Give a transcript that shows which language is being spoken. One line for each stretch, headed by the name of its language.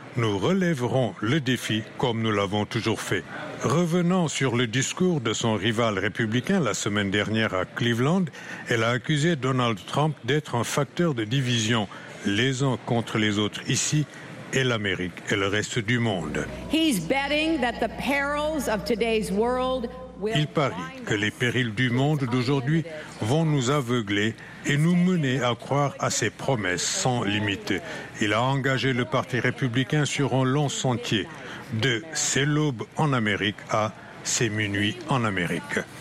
French: Nous relèverons le défi comme nous l'avons toujours fait. Revenant sur le discours de son rival républicain la semaine dernière à Cleveland, elle a accusé Donald Trump d'être un facteur de division, les uns contre les autres ici et l'Amérique et le reste du monde.
English: He's betting that the perils of today's world.
French: Il parie que les périls du monde d'aujourd'hui vont nous aveugler et nous mener à croire à ses promesses sans limite. Il a engagé le Parti républicain sur un long sentier, de ses l'aube en Amérique à ses minuit en Amérique.